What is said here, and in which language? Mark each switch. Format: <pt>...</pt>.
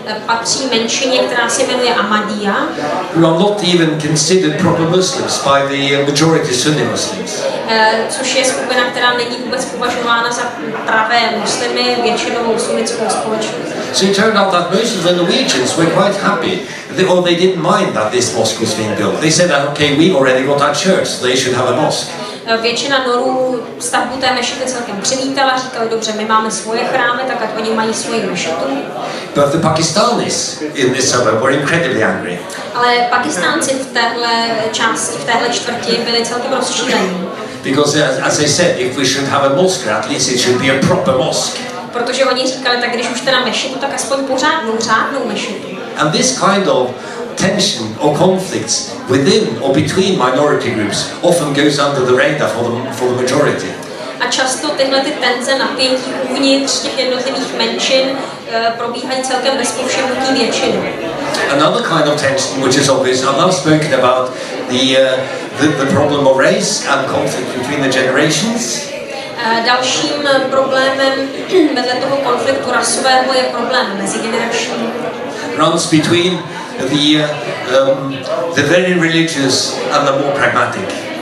<cs>Patří menšině, která se jmenuje Ahmadiyya.</cs> <en>Who are not even considered proper Muslims by the majority Sunni Muslims.</en> <cs>Což je skupina, která není vůbec považována za pravé muslimy, většinovou sunnickou společnost.</cs> <en>So it turned out that most of the Norwegians were quite happy, or they didn't mind that this mosque was being built. They said that, okay, we already got our church, they should have a mosque.</en> <cs>Většina Norů stavbu té mešity celkem přivítala, říkali, dobře, my máme svoje chrámy, tak ať oni mají svoji mešitu.</cs> <en>But the Pakistanis in this suburb were incredibly angry.</en> <cs>Ale Pakistánci v téhle části, v téhle čtvrti byli celkem rozčílení.</cs> <en>Because as I said, if we should have a mosque, at least it should be a proper mosque.</en> <cs>Protože oni říkali, tak když už teda mešitu, tak aspoň pořádnou, řádnou mešitu.</cs> <en>And this kind of tension or conflicts within or between minority groups often goes under the radar for the majority.</en> <cs>A často tyhle ty tenze, napětí uvnitř těch jednotlivých menšin probíhají celkem bez povšimnutí většiny.</cs> <en>Another kind of tension, which is obvious, I've now spoken about the problem of race and conflict between the generations.</en> <cs>Dalším problémem vedle toho konfliktu rasového je problém mezigenerační.</cs> <en>Runs between the very religious and the more pragmatic.</en>